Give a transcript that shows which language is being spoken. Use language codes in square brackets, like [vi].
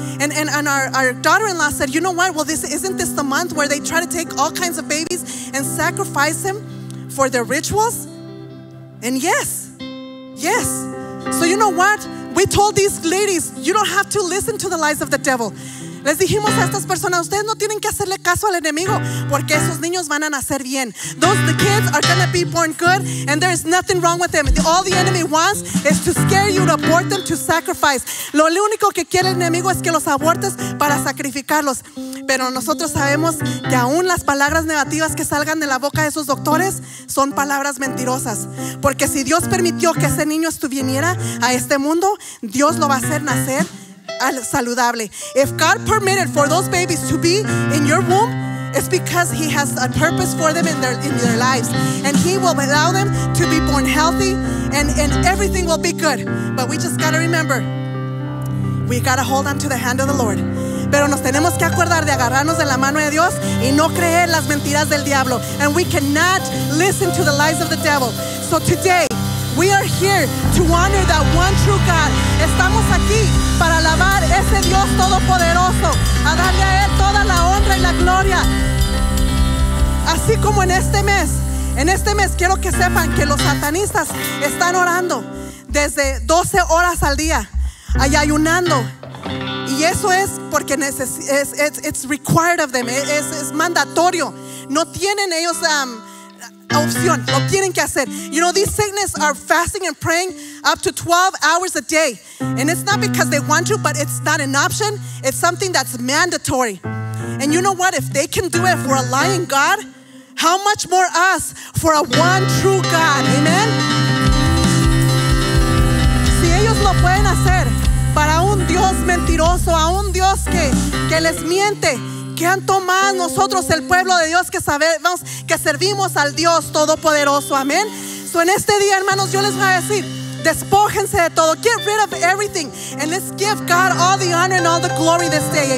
[en] And our daughter-in-law said, you know what? Well, isn't this the month where they try to take all kinds of babies and sacrifice them for their rituals? And yes, yes. So you know what? We told these ladies, you don't have to listen to the lies of the devil. [es] Les dijimos a estas personas, ustedes no tienen que hacerle caso al enemigo, porque esos niños van a nacer bien. [en] The kids are going to be born good, and there is nothing wrong with them. All the enemy wants is to scare you, to abort them, to sacrifice. [es] Lo único que quiere el enemigo es que los abortes para sacrificarlos. Pero nosotros sabemos que aún las palabras negativas que salgan de la boca de esos doctores son palabras mentirosas. Porque si Dios permitió que ese niño estuviera a este mundo, Dios lo va a hacer nacer saludable. [en] If God permitted for those babies to be in your womb, it's because He has a purpose for them in their lives, and He will allow them to be born healthy, and everything will be good. But we just gotta remember, we gotta hold on to the hand of the Lord. [es] Pero nos tenemos que acordar de agarrarnos de la mano de Dios y no creer las mentiras del diablo. [en] And we cannot listen to the lies of the devil. So today, we are here to honor that one true God. [es] Estamos aquí para alabar ese Dios todopoderoso, a darle a Él toda la honra y la gloria. Así como en este mes quiero que sepan que los satanistas están orando desde 12 horas al día y ayunando. Y eso es porque [en] it's required of them, [es] es mandatorio. No tienen ellos opción, lo tienen que hacer. [en] You know, these Satanists are fasting and praying up to 12 hours a day. And it's not because they want to, but it's not an option. It's something that's mandatory. And you know what? If they can do it for a lying God, how much more us for a one true God? Amen? [es] Si ellos lo pueden hacer para un Dios mentiroso, a un Dios que les miente, ¿cuánto más nosotros, el pueblo de Dios, que sabemos que servimos al Dios todopoderoso? Amén. So en este día, hermanos, yo les voy a decir, Despójense de todo. [en] Get rid of everything. And let's give God all the honor and all the glory this day.